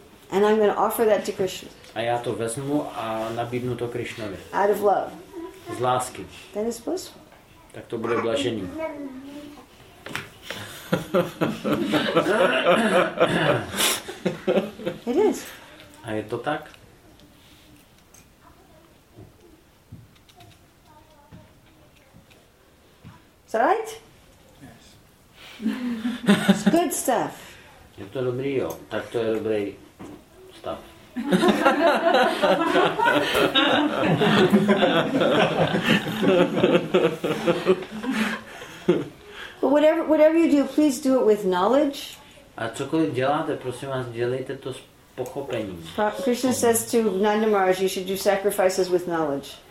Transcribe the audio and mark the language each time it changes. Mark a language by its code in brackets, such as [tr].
[en] And I'm going to offer that to Krishna. [cs] A já to vezmu a nabídnu to Krishnovi. [en] Out of love. [cs] Z lásky. [en] Then it's possible. [cs] Tak to bude blažení. [en] It is. [cs] A je to tak? [en] Is that right? Yes. It's good stuff. [cs] Je to dobrý, jo. Tak to je dobrý stuff. [en] But whatever you do, please do it with knowledge. [cs] A cokoliv děláte, prosím vás, dělejte to s pochopením. [en] Krishna says to Nanda Maharaj, you should do sacrifices with knowledge.